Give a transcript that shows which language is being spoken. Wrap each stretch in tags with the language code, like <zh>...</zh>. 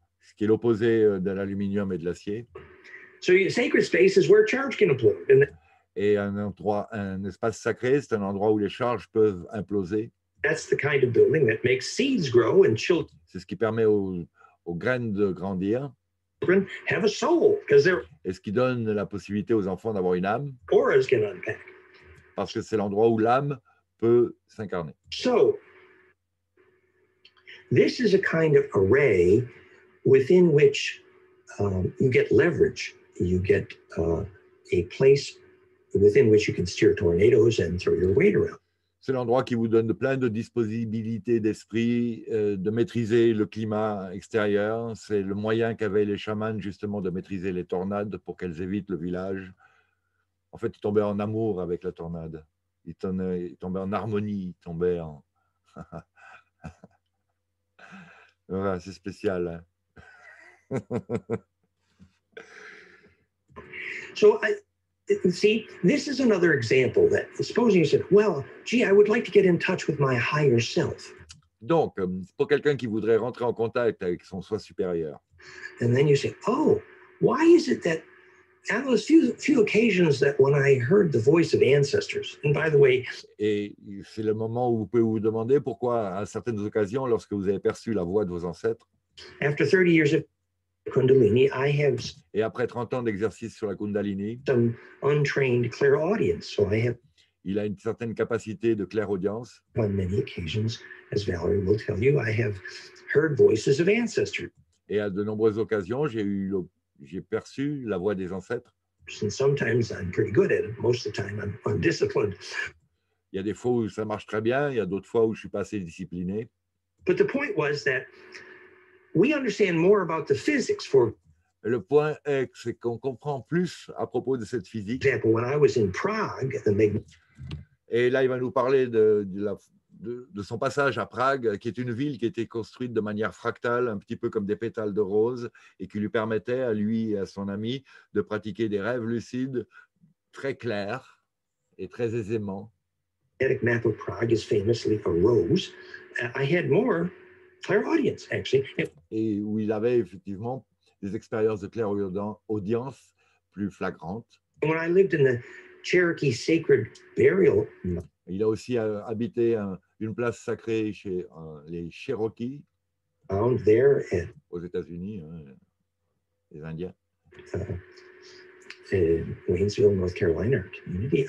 <fr>Ce qui est l'opposé de l'aluminium et de l'acier.</fr> <en>So sacred space is where charge can implode.</en> <fr>Et un espace sacré, c'est un endroit où les charges peuvent imploser.</fr> <en>That's the kind of building that makes seeds grow and children.</en> <fr>C'est ce qui permet aux graines de grandir.</fr> <en>Have a soul, because they're.</en> <fr>Et ce qui donne la possibilité aux enfants d'avoir une âme.</fr> <en>Auras can unpack.</en> <fr>Parce que c'est l'endroit où l'âme peut s'incarner.</fr> <en>So, this is a kind of array within which you get leverage. You get a place within which you can steer tornadoes and throw your weight around.</en> <fr>C'est l'endroit qui vous donne plein de disponibilités d'esprit de maîtriser le climat extérieur. C'est le moyen qu'avaient les chamans justement de maîtriser les tornades pour qu'elles évitent le village. En fait, ils tombaient en amour avec la tornade. Ils tombaient en harmonie. Ils tombaient en. Ouais, c'est spécial. Hein.</fr> <en>So, see, this is another example that, supposing you said, well, gee, I would like to get in touch with my higher self.</en> <fr>Donc, pour quelqu'un qui voudrait rentrer en contact avec son soi supérieur.</fr> <en>And then you say, oh, why is it that on those few occasions that when I heard the voice of ancestors, and by the way.</en> <fr>Et c'est le moment où vous pouvez vous demander pourquoi, à certaines occasions, lorsque vous avez perçu la voix de vos ancêtres.</fr> <en>After 30 years of. Kundalini, I have.</en> <fr>Et après 30 ans d'exercice sur la Kundalini,</fr> <en>some untrained clairaudience, so I have.</en> <fr>Il a une certaine capacité de clairaudience.</fr> <en>On many occasions, as Valerie will tell you, I have heard voices of ancestors.</en> <fr>Et à de nombreuses occasions, j'ai perçu la voix des ancêtres.</fr> <en>And sometimes I'm pretty good at it. Most of the time, I'm undisciplined.</en> <fr>Il y a des fois où ça marche très bien. Il y a d'autres fois où je suis pas assez discipliné.</fr> <en>But the point was that. We understand more about the physics for.</en> <fr>Le point est que c'est qu'on comprend plus à propos de cette physique.</fr> <en>For example, when I was in Prague,</en> <fr>et là, il va nous parler de son passage à Prague, qui est une ville qui était construite de manière fractale, un petit peu comme des pétales de rose, et qui lui permettait à lui et à son ami de pratiquer des rêves lucides très clairs et très aisément.</fr> <en>The map of Prague is famously a rose. I had more. Clairaudience, actually.</en> <fr>Et où il avait effectivement des expériences de clairaudience plus flagrantes.</fr> <en>When I lived in the Cherokee sacred burial.</en> <fr>Il a aussi habité une place sacrée chez les Cherokees.</fr> <en>Found there.</en> <fr>Aux États-Unis, les Indiens.</fr> <en>Waynesville, North Carolina community.</en>